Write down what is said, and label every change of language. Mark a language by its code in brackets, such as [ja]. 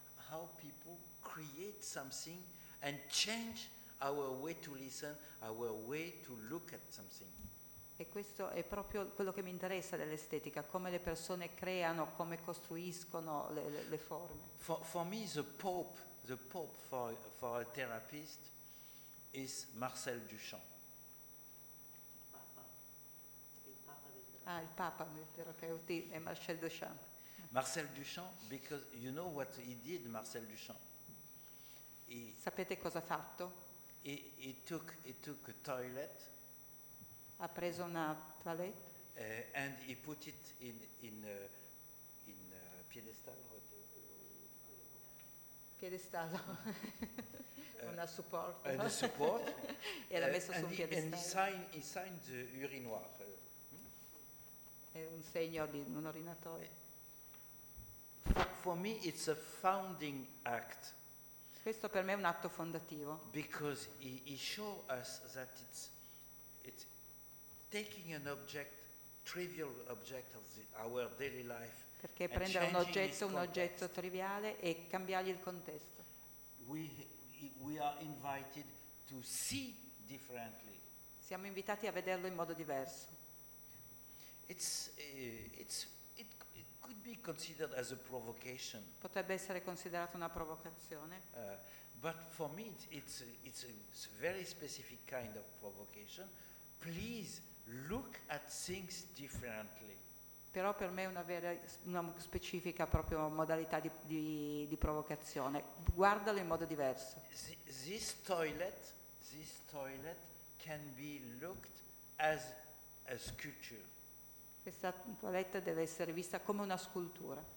[en] How people create something and change our way to listen, our way to look at something. [it] E questo è proprio quello che mi interessa dell'estetica, come le persone creano, come costruiscono le forme. [en] For me the Pope for a therapist is Marcel Duchamp. [it] Ah, il Papa del terapeuta è Marcel Duchamp. [en] Marcel Duchamp, because you know what he did, Marcel Duchamp. [it] Sapete cosa ha fatto? [en] He took a toilet. [it] Ha preso una toilette. [en] And he put it in a piedestal. [it] Piedestallo, una support. [en] And a support. [it] E l'ha messo su un piedestallo. [en] He signed the urinoir. [it] È un segno di un urinatore. [en] For me it's a founding act. [it] Questo per me è un atto fondativo. [en] Because he show us that it's taking an object, trivial object of our daily life. [it] Perché prendere un oggetto triviale e cambiargli il contesto. [en] We are invited to see differently. [it] Siamo invitati a vederlo in modo diverso. [en] It could be considered as a provocation. [it] Potrebbe essere considerato una provocazione. [en] But for me it's a very specific kind of provocation. Please look at things differently. [it] Però per me è una specifica proprio modalità di provocazione. Guardalo in modo diverso. [en] This toilet can be looked as a sculpture. [it] Questa toiletta deve essere vista come una scultura.